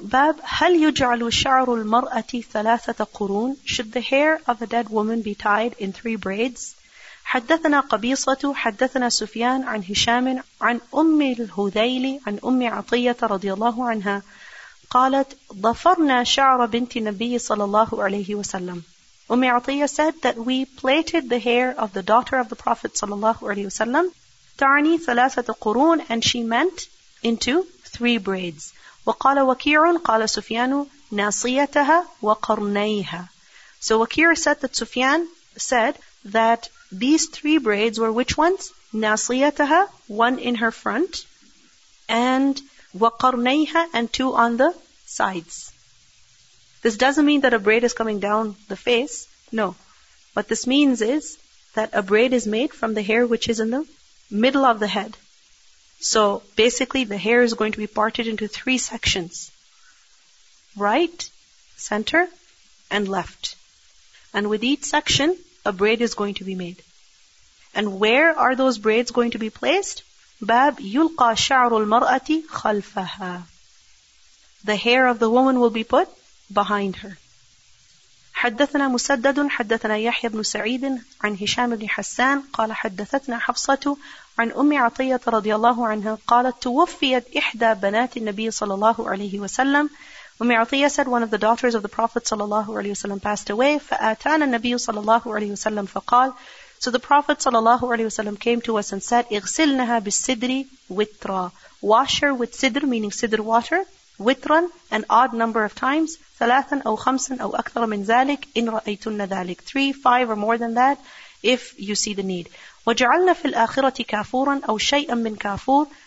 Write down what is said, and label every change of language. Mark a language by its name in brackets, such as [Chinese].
[Arabic] باب هل يجعل شعر المرأة ثلاثة قرون? [English] Should the hair of a dead woman be tied in three braids? [Arabic] حدثنا قبيصة حدثنا سفيان عن هشام عن أم الهذيل عن أم عطية رضي الله عنها قالت ضفرنا شعر بنت النبي صلى الله عليه وسلم. [English] أم عطية said that we plaited the hair of the daughter of the Prophet [Arabic] صلى الله عليه وسلم تعني ثلاثة قرون, [English] and she meant into three braids. [Arabic] وقال وكيع قال سفيان ناصيتها وقرنيها. [English] So وكيع said that Sufyan said that these three braids were which ones? ناصيتها, one in her front, and وقرنيها, and two on the sides. This doesn't mean that a braid is coming down the face. No. What this means is that a braid is made from the hair which is in the middle of the head. So basically the hair is going to be parted into three sections. Right, center, and left. And with each section, a braid is going to be made. And where are those braids going to be placed? [Arabic] باب يلقى شعر المرأة خلفها. [English] The hair of the woman will be put behind her. [Arabic] حدثنا مسدد حدثنا يحيى بن سعيد عن هشام بن حسان قال حدثتنا حفصة عن أم عطية رضي الله عنها قالت توفيت إحدى بنات النبي صلى الله عليه وسلم. [English] أم عطية said one of the daughters of the Prophet [Arabic] صلى الله عليه وسلم [English] passed away. [Arabic] فآتانا النبي صلى الله عليه وسلم فقال. [English] So the Prophet [Arabic] صلى الله عليه وسلم [English] came to us and said [Arabic] اغسلنها بالسدر وترا. [English] Wash her with sidr, meaning sidr water. Witran, an odd number of times. [Arabic] ثلاثاً أو خمساً أو أكثر من ذلك إن رأيتن ذلك. [English] 3, 5 or more than that, if you see the need. [Arabic] وجعلنا في الآخرة كافوراً أو شيئاً من كافور.